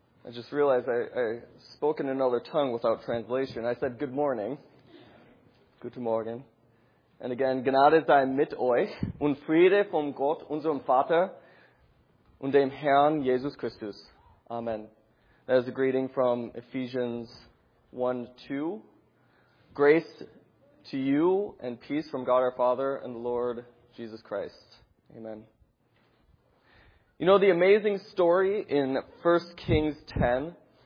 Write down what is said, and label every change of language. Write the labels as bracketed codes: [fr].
[en] I just realized I spoke in another tongue without translation. I said, good morning. [de] Guten Morgen. [en] And again, [de] Gnade sei mit euch und Friede vom Gott, unserem Vater und dem Herrn Jesus Christus. Amen. [en] That is a greeting from Ephesians 1:2. Grace to you and peace from God our Father and the Lord Jesus Christ. Amen. You know the amazing story in 1 Kings 10?